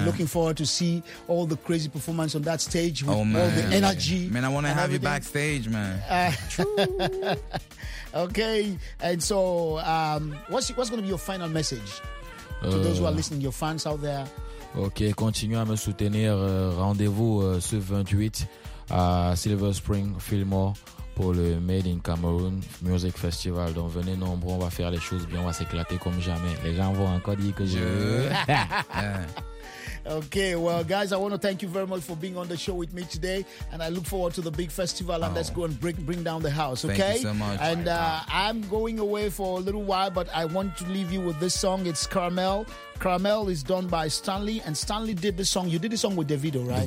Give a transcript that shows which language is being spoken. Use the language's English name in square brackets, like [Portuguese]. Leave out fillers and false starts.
[English] I'm looking forward to see all the crazy performance on that stage with all the energy. Man, I want to have you backstage, man. True. Okay, and so what's going to be your final message to those who are listening, your fans out there? [French] Ok, continuez à me soutenir. Rendez-vous ce 28 à Silver Spring Fillmore pour le Made in Cameroon Music Festival. Donc venez nombreux, on va faire les choses bien, on va s'éclater comme jamais. Les gens vont encore dire que je veux. [English] Okay, well, guys, I want to thank you very much for being on the show with me today, and I look forward to the big festival, and let's go and bring down the house, okay? Thank you so much. And I'm going away for a little while, but I want to leave you with this song. It's Caramel. Caramel is done by Stanley, and Stanley did the song. You did the song with Davido, right?